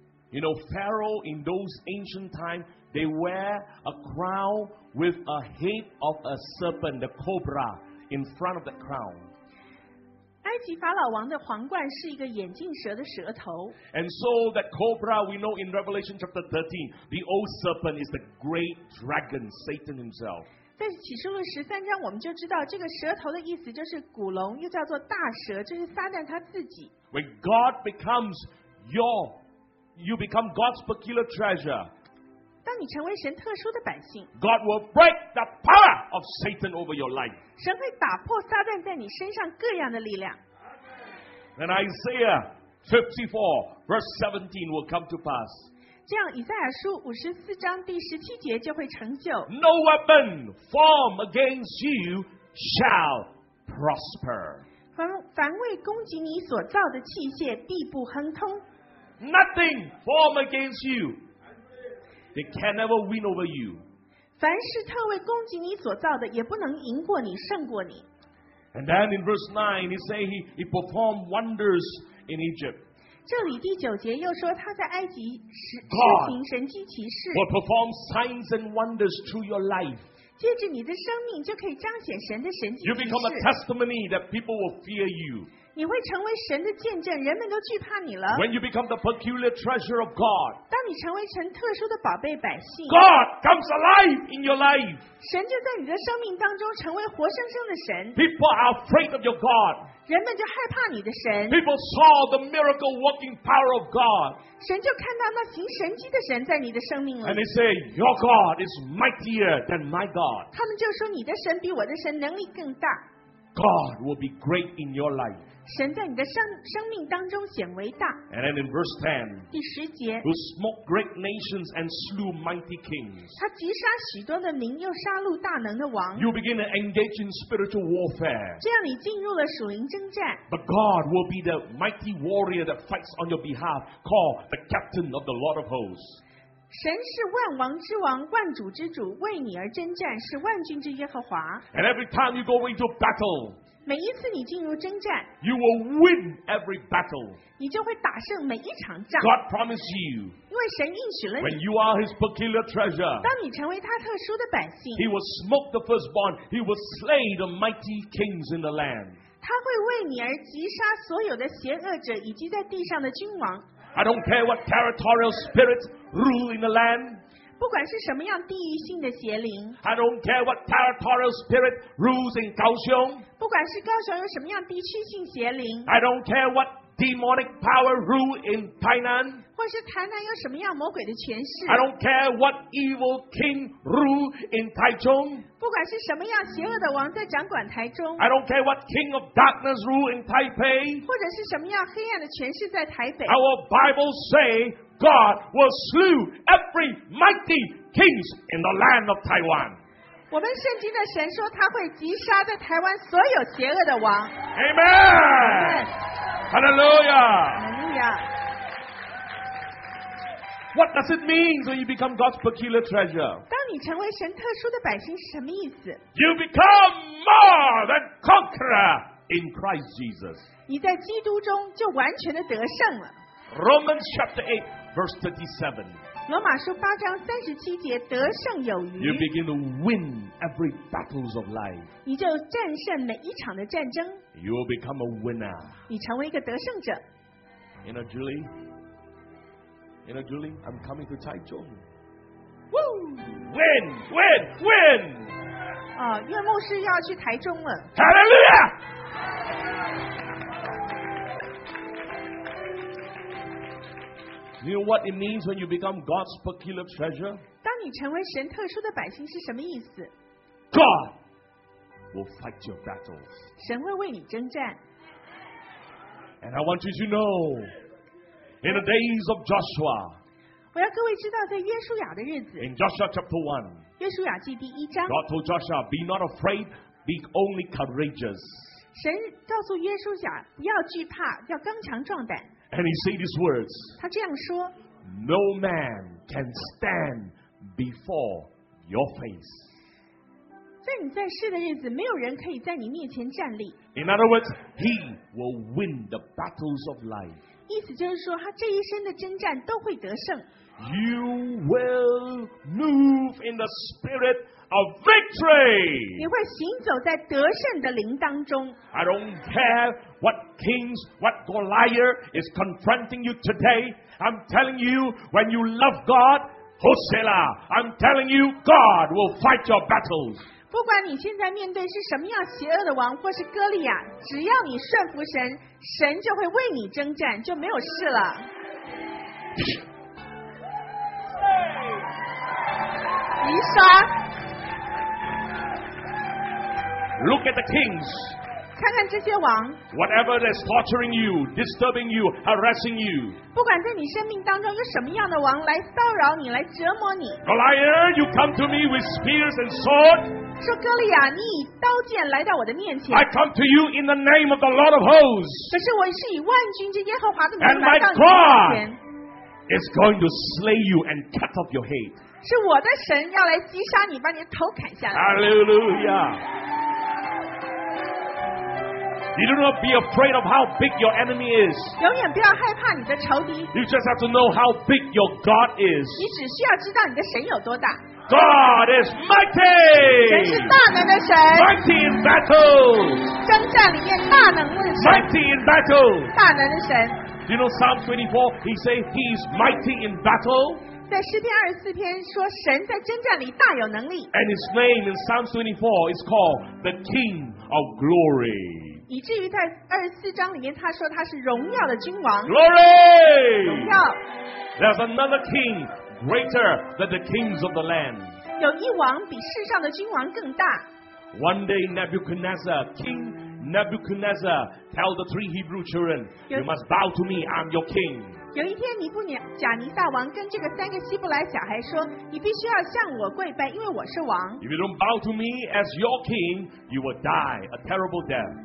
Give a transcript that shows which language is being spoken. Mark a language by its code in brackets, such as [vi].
[en] You know, Pharaoh in those ancient times, they wear a crown with a head of a serpent, the cobra, in front of the crown. [zh] 埃及法老王的皇冠是一个眼镜蛇的舌头。 [en] And so that cobra we know in Revelation chapter 13, the old serpent is the great dragon, Satan himself. [zh] 在启示录十三章，我们就知道这个舌头的意思就是古龙，又叫做大蛇，就是撒旦他自己。 [en] When God becomes you become God's peculiar treasure. [zh] 当你成为神特殊的百姓 [en] ，God will break the power of Satan over your life. [zh] 神会打破撒旦在你身上各样的力量。 [en] Then Isaiah 54 verse 17 will come to pass. [zh] 这样以赛亚书五十四章第十七节就会成就。 [en] No weapon formed against you shall prosper. [zh] 凡为攻击你所造的器械必不亨通。 [en] Nothing formed against you, they can never win over you. [zh] 凡是特为攻击你所造的，也不能赢过你，胜过你。 [en] And then in verse 9, he says he performed wonders in Egypt. [zh] 这里第九节又说他在埃及施行神迹奇事。 [en] God will perform signs and wonders through your life. [zh] 借着你的生命就可以彰显神的神迹奇事。 [en] You become a testimony that people will fear you. [zh] 你会成为神的见证，人们都惧怕你了。 [en] When you become the peculiar treasure of God, [zh] 当你成为神特殊的宝贝百姓， [en] God comes alive in your life. [zh] 神就在你的生命当中成为活生生的神。 [en] People are afraid of your God. [zh] 人们就害怕你的神。 [en] People saw the miracle working power of God. [zh] 神就看到那行神迹的神在你的生命里。 [en] And they say, Your God is mightier than my God. [zh] 他们就说你的神比我的神能力更大。 [en] God will be great in your life. [zh] 神在你的生命当中显为大。 [en] And then in verse 10, [zh] 第十节， [en] who smote great nations and slew mighty kings. [zh] 他击杀许多的民，又杀戮大能的王。 [en] You begin to engage in spiritual warfare. [zh] 这样你进入了属灵征战。 [en] But God will be the mighty warrior that fights on your behalf, called the captain of the Lord of hosts. [zh] 神是万王之王，万主之主，为你而征战，是万军之耶和华。 [en] And every time you go into battle. [zh] 每一次你进入征战， [en] you will win every battle. [zh] 你就会打胜每一场仗。 [en] God promised you. [zh] 因为神应许了你。 [en] When you are His peculiar treasure. [zh] 当你成为他特殊的百姓。 [en] He will smoke the firstborn. He will slay the mighty kings in the land. [zh] 他会为你而击杀所有的邪恶者以及在地上的君王。 [en] I don't care what territorial spirits rule in the land. [zh] 不管是什么样地域性的邪灵， [en] I don't care what territorial spirit rules in 高雄。 [zh] 不管是高雄有什么样地区性邪灵， [en] I don't care what demonic power rule in 台南。 [zh] 或是台南有什么样魔鬼的权势， [en] I don't care what evil king rule in 台中。 [zh] 不管是什么样邪恶的王在掌管台中， [en] I don't care what king of darkness rule in 台北。 [zh] 或者是什么样黑暗的权势在台北。 [en] Our Bible say。 God will slew every mighty kings in the land of Taiwan. [zh] 我们圣经的神说他会击杀在台湾所有邪恶的王。 [en] Amen. Hallelujah. Hallelujah. What does it mean when you become God's peculiar treasure? [zh] 当你成为神特殊的百姓是什么意思？ [en] You become more than conqueror in Christ Jesus. [zh] 你在基督中就完全的得胜了。 [en] Romans chapter 8, verse 37. [zh] 罗马书八章三十七节，得胜有余。 [en] You begin to win every battles of life. [zh] 你就战胜每一场的战争。 [en] You will become a winner. [zh] 你成为一个得胜者。 [en] You know, Julie, I'm coming to Taichung. Woo! Win, win, win. [zh] 啊，岳牧师要去台中了。 [en] Hallelujah! You know what it means when you become God's peculiar treasure? [zh] 当你成为神特殊的百姓是什么意思？ [en] God will fight your battles. [zh] 神会为你征战。 [en] And I want you to know, in the days of Joshua, [zh] 我要各位知道在约书亚的日子。 [en] In Joshua chapter 1, [zh] 约书亚记第一章。 [en] God told Joshua, be not afraid, be only courageous. [zh] 神告诉约书亚不要惧怕，要刚强壮胆。 [en] And he said these words. [zh] 他这样说, [en] no man can stand before your face. [zh] 在你在世的日子, 没有人可以在你面前站立。 [en] In other words, he will win the battles of life. [zh] 意思就是说, 他这一生的征战都会得胜。 [en] You will move in the spirit of victory. [zh] 你会行走在得胜的灵当中。 [en] I don't care. What kings, what Goliath is confronting you today? I'm telling you, when you love God, Hosea, I'm telling you, God will fight your battles. [zh] 不管你现在面对是什么样邪恶的王或是哥利亚，只要你顺服神，神就会为你征战，就没有事了。你说 [en] ？Look at the kings. [zh] 看看这些王 [en] whatever that's torturing you, disturbing you, harassing you. [zh] 不管在你生命当中有什么样的王来骚扰你，来折磨你。 [en] Goliath, you come to me with spears and sword. [zh] 说哥利亚，你以刀剑来到我的面前。 [en] I come to you in the name of the Lord of hosts. [zh] 可是我是以万军之耶和华的名来到你面前。 [en] And my God is going to slay you and cut off your head. [zh] 是我的神要来击杀你，把你的头砍下来。 [en] Hallelujah. You do not be afraid of how big your enemy is. [zh] 永远不要害怕你的仇敌。 [en] You just have to know how big your God is. [zh] 你只需要知道你的神有多大。 [en] God is mighty. [zh] 神是大能的神。 [en] Mighty in battle. [zh] 征战里面大能的神。 [en] Mighty in battle. [zh] 大能的神。 [en] You know Psalm 24, he says he is mighty in battle. [zh] 在诗篇二十四篇说神在征战里大有能力。 [en] And his name in Psalm 24 is called the King of Glory. [zh] 以至于在二十四章里面，他说他是荣耀的君王。 [en] Glory, [zh] 荣耀。 [en] There's another king greater than the kings of the land. [zh] 有一王比世上的君王更大。 [en] One day, Nebuchadnezzar, King Nebuchadnezzar, tell the three Hebrew children, "You must bow to me. I'm your king." [zh] 有一天，尼布贾尼撒王跟这个三个希伯来小孩说，你必须要向我跪拜，因为我是王。 [en] If you don't bow to me as your king, you will die a terrible death.